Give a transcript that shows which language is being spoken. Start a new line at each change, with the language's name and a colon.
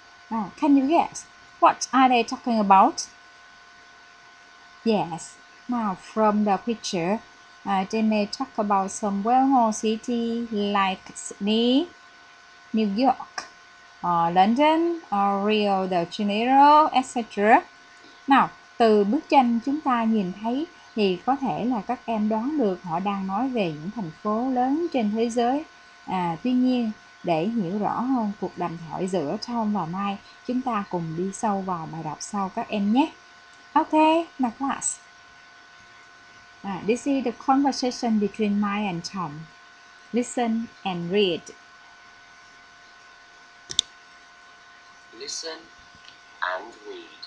English: Now, can you guess, what are they talking about? Yes, now from the picture, they may talk about some well-known city like Sydney, New York, London, Rio de Janeiro, etc.
Vietnamese: Nào, từ bức tranh chúng ta nhìn thấy thì có thể là các em đoán được họ đang nói về những thành phố lớn trên thế giới. Tuy nhiên, để hiểu rõ hơn cuộc đàm thoại giữa Tom và Mai, chúng ta cùng đi sâu vào bài đọc sau các em nhé.
English: Ok, now class. This is the conversation between Mai and Tom. Listen and read. Listen and read.